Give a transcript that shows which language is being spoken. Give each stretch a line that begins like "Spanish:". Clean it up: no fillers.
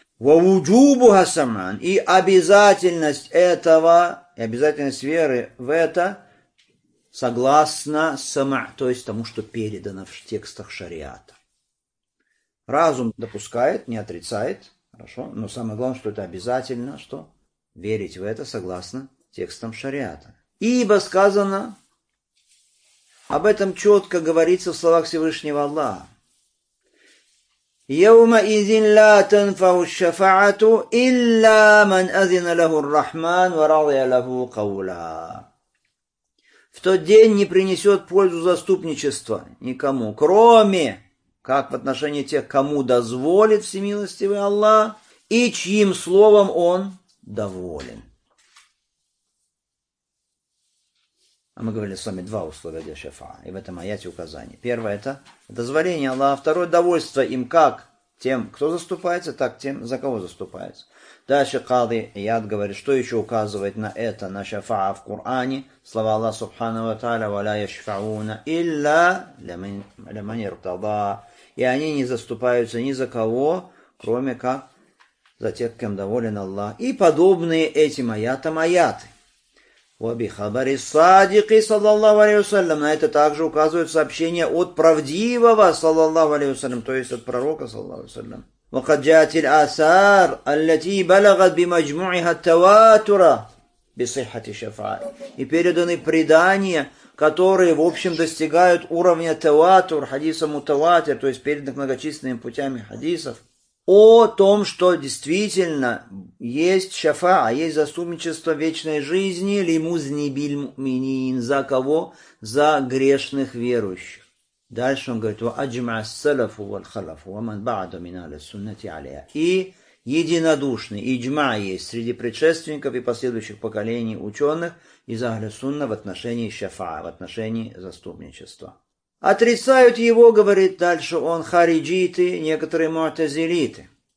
Arabic: Ва вуджубу хасаман.
Russian: И обязательность этого, и обязательность веры в это, согласно сама, то есть тому, что передано в текстах шариата. Разум допускает, не отрицает, Хорошо. Но самое главное, что это обязательно, что верить в это согласно текстам шариата. Ибо сказано, об этом четко говорится в словах Всевышнего Аллаха.
Arabic: يوم إذن لا تنفع الشفاعة إلا من أذن له الرحمن ورضي له قولا.
Russian: В тот день не принесет пользу заступничество никому, кроме как в отношении тех, кому дозволит всемилостивый Аллах и чьим словом он доволен. А мы говорили с вами два условия для шафа, и в этом аяте указание. Первое это дозволение Аллаха, второе довольство им как тем, кто заступается, так тем, за кого заступается. Дальше Кады Яд говорит, что еще указывает на это, на шафа'а в Коране. Слова Аллаха
Arabic: Субхана ва Тааля, «Ва ля яшфа'уна илля ля ман йартада».
Russian: И они не заступаются ни за кого, кроме как за тех, кем доволен Аллах. И подобные этим аятам аяты.
Arabic: «Ва би хабари садиқи, саллаллаху алейхи ва саллям».
Russian: На это также указывает сообщение от правдивого, саллаллаху алейхи ва саллям, то есть от пророка, саллаллаху алейхи ва саллям.
Arabic: وقد جاءت الآثار التي بلغت بمجموعها التواتر بصحة الشفاعة.
Russian: И переданы предания, которые в общем достигают уровня таватур, хадиса мутаватир, то есть переданных многочисленными путями хадисов, о том, что действительно есть шафа, есть заступничество вечной жизни, лимузни биль муминин, за кого? За грешных верующих. Дальше он говорит,
Arabic: وَأَجْمَعَ السَّلَفُ وَالْخَلَفُ وَمَنْ بَعْدُ مِنَ السُنَّةِ عَلَيْهَا.
Russian: И единодушный, иджма есть среди предшественников и последующих поколений ученых из Ахли Сунна в отношении шафа'а, в отношении заступничества. Отрицают его, говорит дальше он, хариджиты, некоторые муътазилиты.